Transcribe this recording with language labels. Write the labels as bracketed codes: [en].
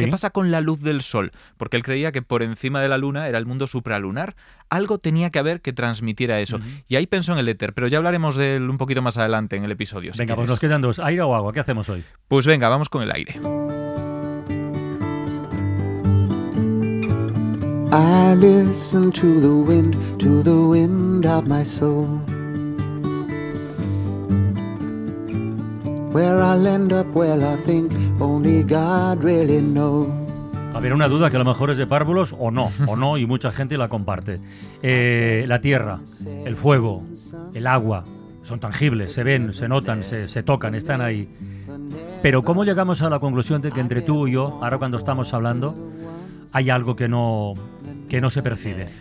[es] ¿Qué pasa con la luz del sol? Porque él creía que por encima de la luna era el mundo supralunar. Algo tenía que haber que transmitiera eso. Y ahí pensó en el éter, pero ya hablaremos de él un poquito más adelante en el episodio. Venga, pues nos quedan 2. ¿Aire o agua? ¿Qué hacemos hoy? Pues venga, vamos con el aire. [en] I listen to the wind of my soul. Where I'll end up, well, I think only God really knows. [es] A ver, una duda que a lo mejor es de párvulos o no, y mucha gente la comparte. La tierra, el fuego, el agua, son tangibles, se ven, se notan, se tocan, están ahí. Pero ¿cómo llegamos a la conclusión de que entre tú y yo, ahora cuando estamos hablando, hay algo que no se percibe?